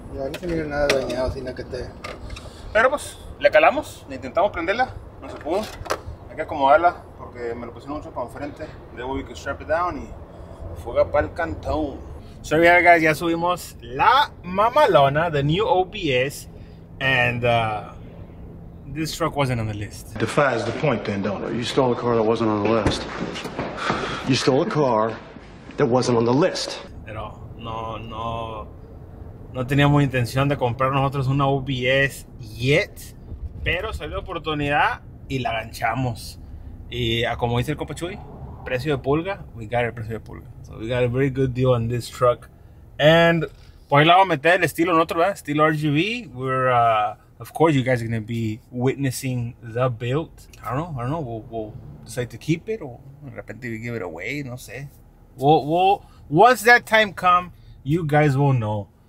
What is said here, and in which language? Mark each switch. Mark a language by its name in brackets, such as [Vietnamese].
[Spanish] Ya no se mira nada dañado, sino que te... Pero pues, le calamos, le intentamos prenderla, no se pudo. Hay que acomodarla, porque me lo pusieron mucho para enfrente. Debo [English] we can strap it down [Spanish] y fuga para el cantón. [English] So yeah guys, [Spanish] ya subimos la mamalona, [English] the new OBS, and this truck wasn't on the list. Defies the point then, don't it? You stole a car that wasn't on the list. You stole a car that wasn't on the list. [Spanish] Pero, no. No teníamos intención de comprar nosotros una OBS yet, pero salió oportunidad y la ganchamos. Y como dice el compa Chuy, precio de pulga, [English] we got [Spanish] el precio de pulga. [English] So we got a very good deal on this truck. [Spanish] And por ahí la vamos a meter el estilo en otro, ¿verdad? Estilo RGV. [English] We're, of course, you guys are going to be witnessing the build. I don't know. We'll decide to keep it or [Spanish] de repente [English] we give it away, [Spanish] no sé. [English] Once that time come, you guys will know.